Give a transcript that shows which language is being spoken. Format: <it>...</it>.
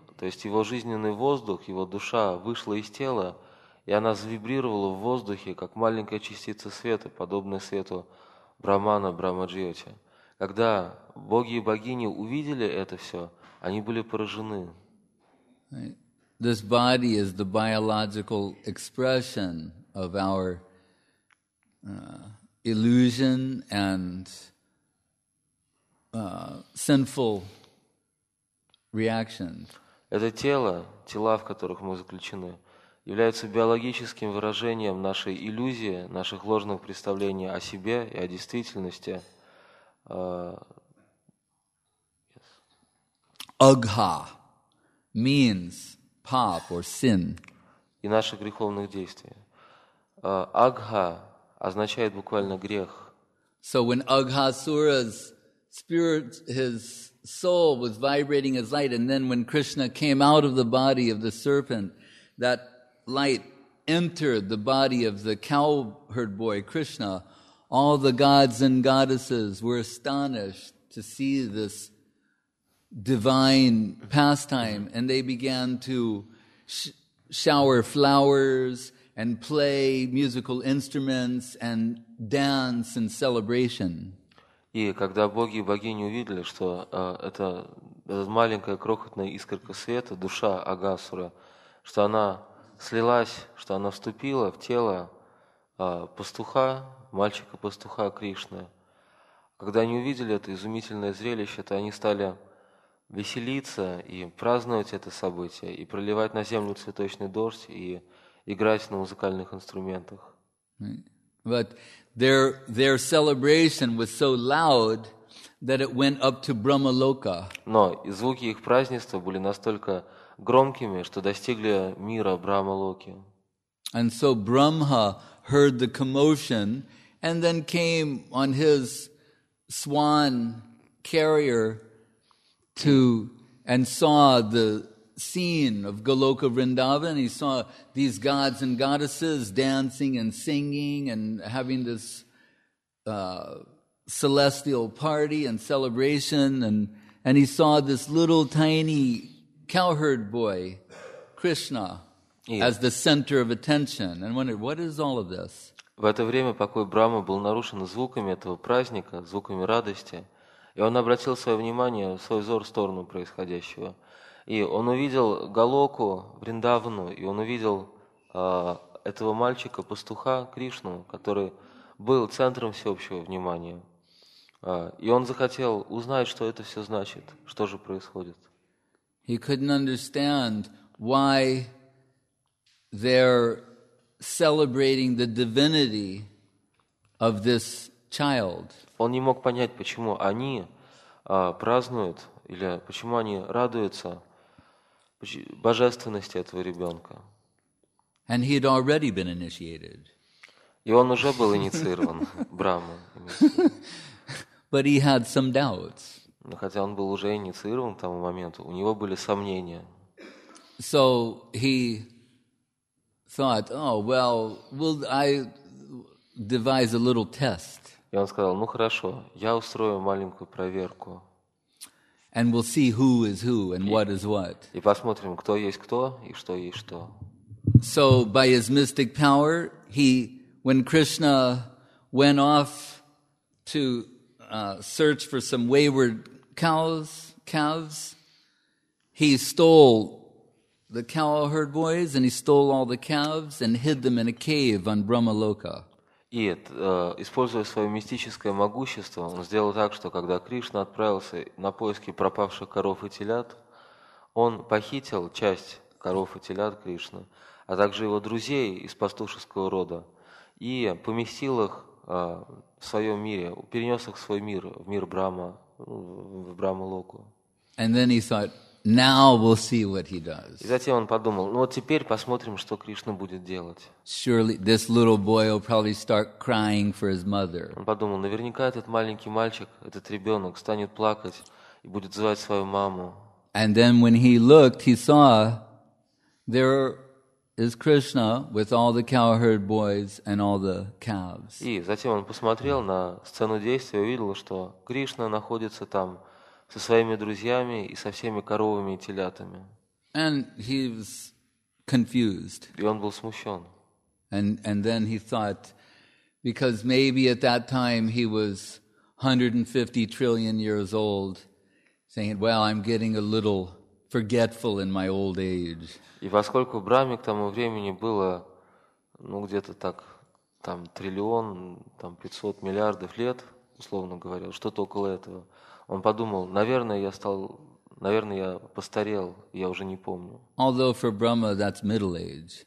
<ru>То есть его жизненный воздух, его душа вышла из тела, и она завибрировала в воздухе, как маленькая частица света, подобная свету Брахмана Брахма-джьоти. Когда боги и богини увидели это все, они были поражены.</ru> <en>This body is the biological expression of our illusion and sinful reactions.</en> <ru>Это тело, тела, в которых мы заключены, является биологическим выражением нашей иллюзии, наших ложных представлений о себе и о действительности.</ru> <en>Agha means pop or sin.</en> <ru>и наших греховных действий. Агха означает буквально грех.</ru> <en>So when Aghasura's spirit, his soul was vibrating as light, and then when Krishna came out of the body of the serpent, that light entered the body of the cowherd boy Krishna. All the gods and goddesses were astonished to see this divine pastime, and they began to shower flowers and play musical instruments and dance in celebration.</en> <ru>И когда боги и богини увидели, что эта маленькая крохотная искорка света, душа Агасура, что она слилась, что она вступила в тело пастуха, мальчика-пастуха Кришны, когда они увидели это изумительное зрелище, то они стали веселиться и праздновать это событие, и проливать на землю цветочный дождь, и играть на музыкальных инструментах.</ru> <en>But their celebration was so loud that it went up to Brahmaloka.</en> <ru>Но звуки их празднества были настолько громкими, что достигли мира Брахмалоки.</ru> <en>And so Brahma heard the commotion and then came on his swan carrier to and saw the scene of Goloka Vrindavan. He saw these gods and goddesses dancing and singing and having this celestial party and celebration, and he saw this little tiny cowherd boy, Krishna, as the center of attention, and wondered, what is all of this?</en> <ru>В это время покой Брахмы был нарушен звуками этого праздника, звуками радости, и он обратил свое внимание, свой взор в сторону происходящего. И он увидел Голоку, Вриндавну, и он увидел этого мальчика-пастуха Кришну, который был центром всеобщего внимания. И он захотел узнать, что это все значит, что же происходит.</ru> <en>He couldn't understand why they're celebrating the divinity of this child.</en> <ru>Он не мог понять, почему они празднуют, или почему они радуются божественности этого ребенка.</ru> <en>And he had already been initiated.</en> <ru>И он уже был инициирован, Брахма.</ru> <en>But he had some doubts.</en> <ru>Но хотя он был уже инициирован к тому моменту, у него были сомнения.</ru> <en>So he thought, oh, well, will I devise a little test.</en> <ru>И он сказал, ну хорошо, я устрою маленькую проверку.</ru> <en>And we'll see who is who and what is what.</en> <ru>И посмотрим, кто есть кто и что есть что.</ru> <en>So by his mystic power, he, when Krishna went off to search for some wayward calves, he stole the cowherd boys and he stole all the calves and hid them in a cave on Brahmaloka.</en> <ru>И используя свое мистическое могущество, он сделал так, что когда Кришна отправился на поиски пропавших коров и телят, он похитил часть коров и телят Кришны, а также его друзей из пастушеского рода, и поместил их в своем мире, перенес их в свой мир, в мир Брахма, в Брахмалоку.</ru> <en>And then he thought, now we'll see what he does.</en> <ru>И затем он подумал, ну вот теперь посмотрим, что Кришна будет делать.</ru> <en>Surely this little boy will probably start crying for his mother.</en> <ru>Он подумал, наверняка этот маленький мальчик, этот ребенок, станет плакать и будет звать свою маму.</ru> <en>And then when he looked, he saw there is Krishna with all the cowherd boys and all the calves.</en> <ru>И затем он посмотрел на сцену действия и увидел, что Кришна находится там со своими друзьями и со всеми коровами и телятами.</ru> <en>And he was confused.</en> <ru>И он был смущен.</ru> <en>And then he thought, because maybe at that time he was 150 trillion years old, saying, well, I'm getting a little forgetful in my old age.</en> <ru>И поскольку Брахме к тому времени было, ну, где-то так, там, триллион, там, 500 миллиардов лет, условно говоря, что-то около этого, он подумал, наверное, я постарел, я уже не помню.</ru> <en>Although for Brahma, that's middle age.</en>